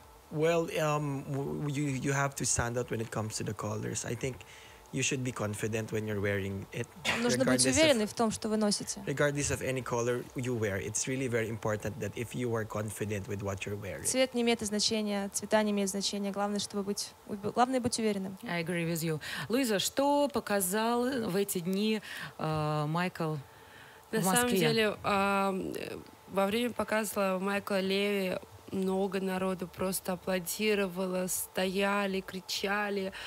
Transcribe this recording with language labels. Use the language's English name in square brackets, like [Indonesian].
[English] Well, you have to stand out when it comes to the colors. I think you should be confident when you're wearing it. [Russian] Нужно быть уверенной в том, что вы носите. [English] Regardless of any color you wear, it's really very important that if you are confident with what you're wearing. [Russian] Цвет не имеет значения, цвета не имеют значения. Главное, чтобы быть уверенным. [English] I agree with you. [Russian] Луиза, что показал в эти дни Майкл в Москве? На самом деле, во время показа Майкла Леви много народу просто аплодировало, стояли, кричали.